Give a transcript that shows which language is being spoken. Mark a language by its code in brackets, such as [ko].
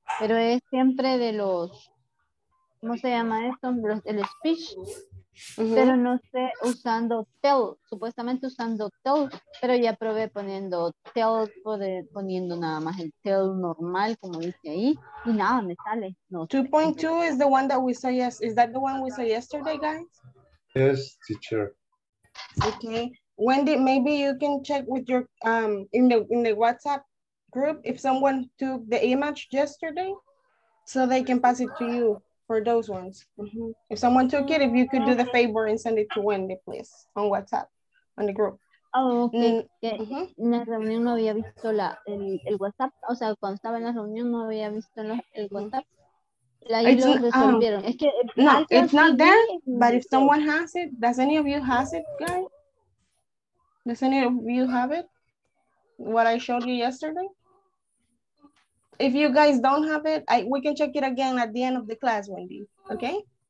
[es] Pero es siempre de los, ¿cómo se llama esto? Los, el speech. Pero no sé, usando tell, supuestamente usando tell, pero ya probé poniendo tell, poniendo nada más el tell normal, como dice ahí, y nada, me sale. No, [en] 2.2 is the one that we saw yesterday. Is that the one we saw yesterday, guys? Yes, teacher. Okay. Wendy, maybe you can check with your, in the WhatsApp group, if someone took the image yesterday, so they can pass it to you. For those ones. Mm-hmm. If someone took it, if you could do the favor and send it to Wendy, please, on WhatsApp, on the group. Oh, okay. [es] En la reunión no había visto el WhatsApp. O sea, cuando estaba en la reunión no había visto el WhatsApp. Ahí lo resolvieron. Es que, [en] no, it's not there, but if someone has it, does any of you has it, guys? Does any of you have it? What I showed you yesterday? If you guys don't have it, we can check it again at the end of the class, Wendy, okay?